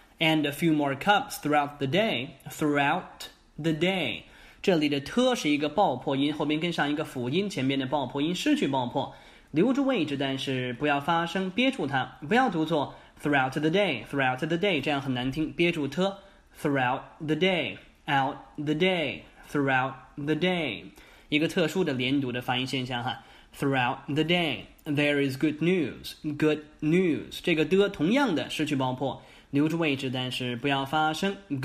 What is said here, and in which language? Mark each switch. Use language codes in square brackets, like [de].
[en] And a few more cups throughout the day. [zh] 这里的 t 是一个爆破音，后面跟上一个辅音，前面的爆破音失去爆破，留住位置，但是不要发声，憋住它，不要读作 [en] throughout the day， [zh] 这样很难听，憋住 t throughout the day， 一个特殊的连读的发音现象哈。 [en] Throughout the day, there is good news. [zh] 这个 的 同样的失去爆破。留住位置，但是不要发声。